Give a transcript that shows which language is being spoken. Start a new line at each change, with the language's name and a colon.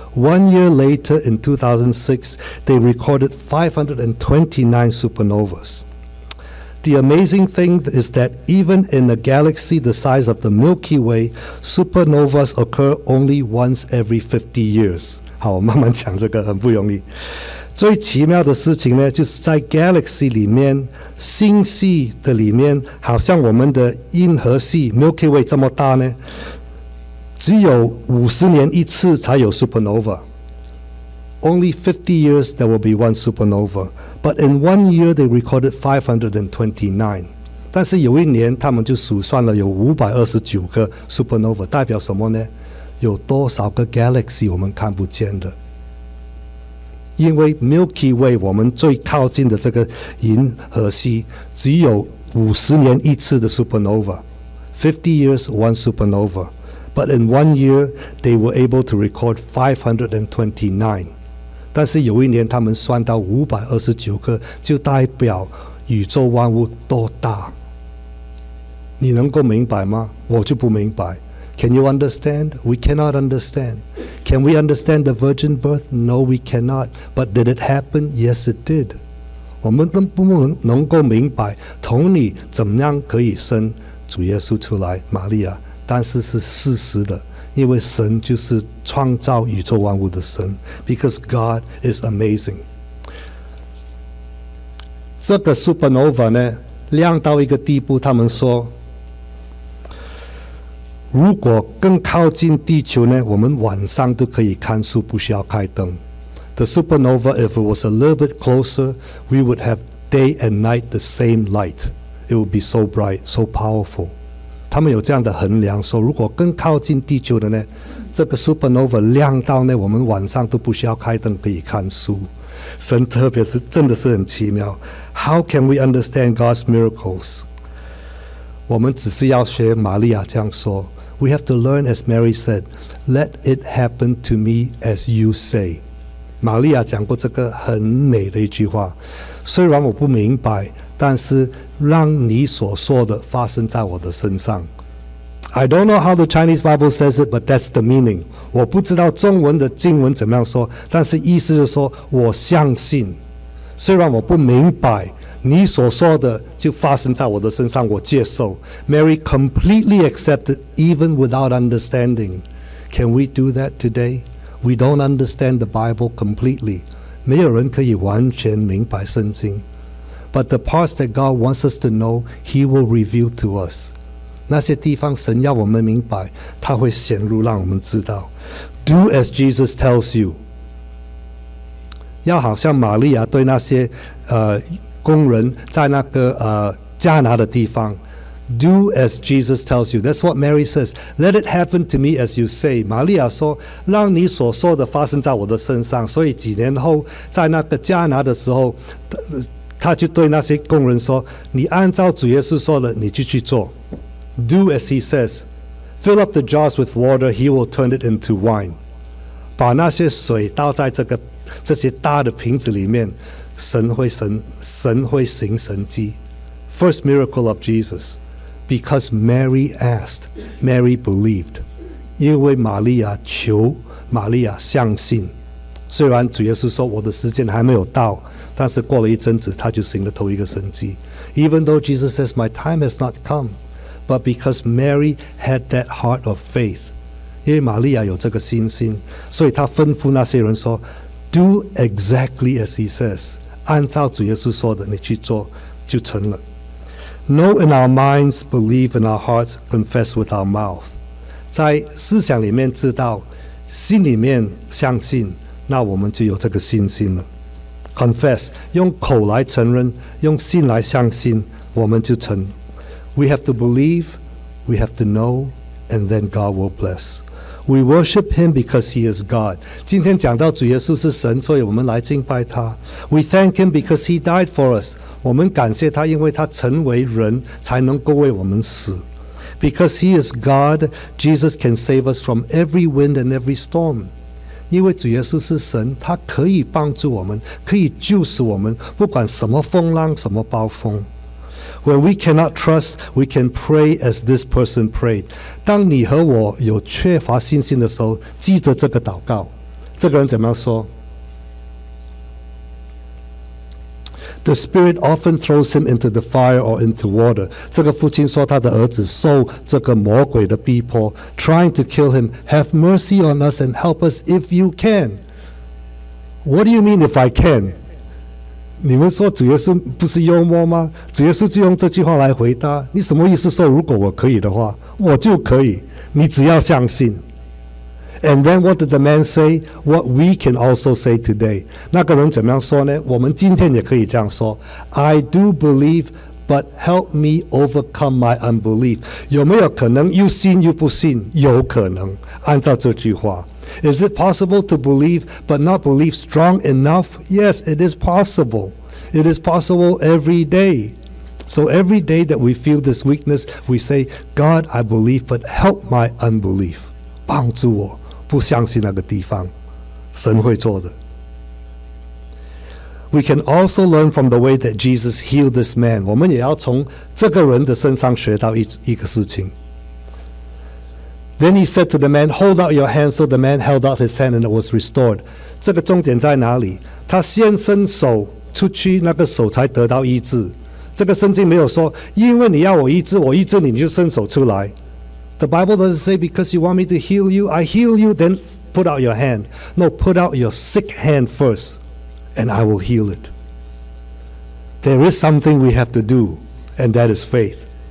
English: One year later, in 2006, they recorded 529 supernovas. The amazing thing is that even in a galaxy the size of the Milky Way, supernovas occur only once every 50 years.
Chinese: 好，我慢慢讲这个，很不容易。最奇妙的事情呢，就是在 galaxy 里面，星系的里面，好像我们的银河系 Milky Way 这么大呢，只有五十年一次才有 supernova.
English: Only 50 years there will be one supernova. But in one year they recorded 529.
Chinese: 但是有一年他们就数算了有529个 supernova， 代表什么呢？有多少个 galaxy 我们看不见的？因为 Milky Way 我们最靠近的这个银河系只有五十年一次的 supernova，
English: 50 years one supernova。 But in one year, they were able to record 529.
Chinese: 但是有一年他们算到529个，就代表宇宙万物多大。你能够明白吗？我就不明白。
English: Can you understand? We cannot understand. Can we understand the virgin birth? No, we cannot. But did it happen? Yes, it did.
Chinese: 我们都不能够明白童女怎么样可以生主耶稣出来，玛利亚。但是是事实的，因为神就是创造宇宙万物的神。
English: Because God is amazing.
Chinese: 这个 supernova 呢，亮到一个地步，他们说，如果更靠近地球呢，我们晚上都可以看书，不需要开灯。
English: The supernova, if it was a little bit closer, we would have day and night the same light. It would be so bright, so powerful.
Chinese: 他们有这样的衡量，说如果更靠近地球的呢，这个 supernova 亮到呢，我们晚上都不需要开灯可以看书。神特别是真的是很奇妙。
English: How can we understand God's miracles?
Chinese: 我们只是要学玛利亚这样说。
English: We have to learn as Mary said, let it happen to me as you say.
Chinese: 玛利亚讲过这个很美的一句话，虽然我不明白，但是让你所说的发生在我的身上。
English: I don't know how the Chinese Bible says it, but that's the meaning.
Chinese: 我不知道中文的经文怎么样说，但是意思就是说我相信，虽然我不明白，你所说的就发生在我的身上，我接受。
English: Mary completely accepted even without understanding. Can we do that today? We don't understand the Bible completely.
Chinese: 没有人可以完全明白圣经。
English: But the parts that God wants us to know, He will reveal to us.
Chinese: 那些地方神要我们明白，他会显露让我们知道。
English: Do as Jesus tells you.
Chinese: 要好像玛利亚对那些工人在那个迦拿的地方。
English: Do as Jesus tells you. That's what Mary says. Let it happen to me as you say.
Chinese: 玛利亚说，让你所说的发生在我的身上。所以几年后在那个迦拿的时候，他就对那些工人说，你按照主耶稣说的，你就去做。
English: Do as he says. Fill up the jars with water, he will turn it into wine.
Chinese: 把那些水倒在这些大的瓶子里面，神会行神迹。
English: First miracle of Jesus. Because Mary asked, Mary believed.
Chinese: 因为玛利亚求，玛利亚相信。虽然主耶稣说我的时间还没有到，但是过了一阵子，他就行了头一个神迹。
English: Even though Jesus says, my time has not come. But because Mary had that heart of faith,
Chinese: 因为玛利亚有这个信心，所以她吩咐那些人说
English: ，Do exactly as he says.
Chinese: 按照主耶稣说的，你去做就成了。
English: Know in our minds, believe in our hearts, confess with our mouth.
Chinese: 在思想里面知道，心里面相信，那我们就有这个信心了。 Confess 用口来承认，用心来相信，我们就成。
English: We have to believe, we have to know, and then God will bless. We worship Him because He is God.
Chinese: 今天讲到主耶稣是神，所以我们来敬拜他。
English: We thank Him because He died for us.
Chinese: 我们感谢他，因为他成为人才能够为我们死。
English: Because He is God, Jesus can save us from every wind and every storm.
Chinese: 因为主耶稣是神，他可以帮助我们，可以救赎我们，不管什么风浪，什么暴风。
English: When we cannot trust, we can pray as this person prayed.
Chinese: 当你和我有缺乏信心的时候，记得这个祷告。这个人怎么样说？
English: The spirit often throws him into the fire or into water.
Chinese: 这个父亲说他的儿子受这个魔鬼的逼迫，
English: trying to kill him. Have mercy on us and help us if you can. What do you mean if I can?
Chinese: 你们说主耶稣不是幽默吗？主耶稣就用这句话来回答，你什么意思？说如果我可以的话，我就可以，你只要相信。
English: And then what did the man say? What we can also say today.
Chinese: 那个人怎么样说呢？我们今天也可以这样说，
English: I do believe, but help me overcome my unbelief.
Chinese: 有没有可能又信又不信？有可能，按照这句话。
English: Is it possible to believe but not believe strong enough? Yes, it is possible. It is possible every day. So every day that we feel this weakness, we say, God, I believe, but help my unbelief.
Chinese: 帮助我，不相信那个地方，神会做的。
English: We can also learn from the way that Jesus healed this man.
Chinese: 我们也要从这个人的身上学到一个事情。
English: Then he said to the man, hold out your hand. So the man held out his hand and it was restored.
Chinese: 这个重点在哪里？他先伸手出去，那个手才得到医治。这个圣经没有说，因为你要我医治，我医治你，你就伸手出来。
English: The Bible doesn't say, because you want me to heal you, I heal you, then put out your hand. No, put out your sick hand first, and I will heal it. There is something we have to do, and that is faith.